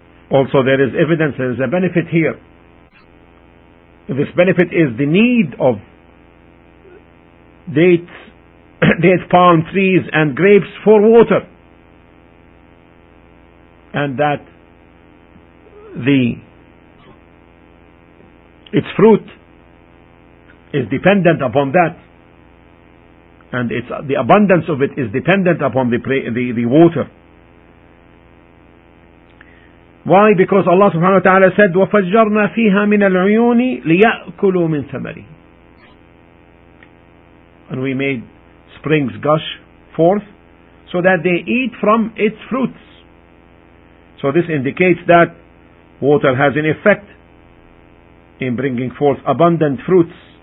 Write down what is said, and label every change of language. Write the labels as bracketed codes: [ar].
[en] Also there is evidence, there is a benefit here. This benefit is the need of date palm trees and grapes for water, and that its fruit is dependent upon that, and its the abundance of it is dependent upon the water. Why? Because Allah subhanahu wa ta'ala said, [ar] وَفَجَّرْنَا فِيهَا مِنَ الْعُيُونِ لِيَأْكُلُوا مِنْ ثَمَرِهِ. [en] And we made springs gush forth so that they eat from its fruits. So this indicates that water has an effect in bringing forth abundant fruits.